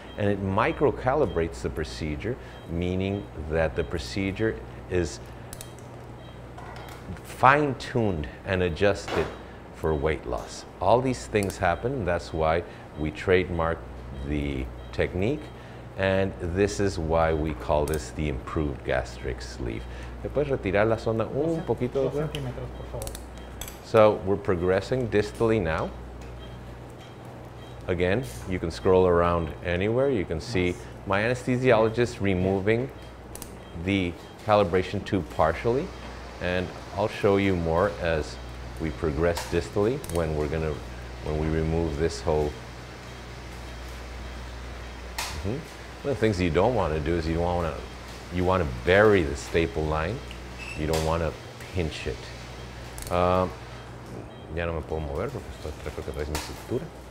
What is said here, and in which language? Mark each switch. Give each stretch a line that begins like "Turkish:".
English: and it micro-calibrates the procedure, meaning that the procedure is fine-tuned and adjusted for weight loss. All these things happen, and that's why we trademark the technique, and this is why we call this the improved gastric sleeve.
Spanish: ¿Te puedes retirar la sonda un poquito?
English: So we're progressing distally now. Again, you can scroll around anywhere. You can see my anesthesiologist removing the calibration tube partially, and I'll show you more as we progress distally when we remove this whole. One of the things you don't want to do is you want to bury the staple line. You don't want to pinch it.
Spanish: Ya no me puedo mover porque esto creo que es mi cintura.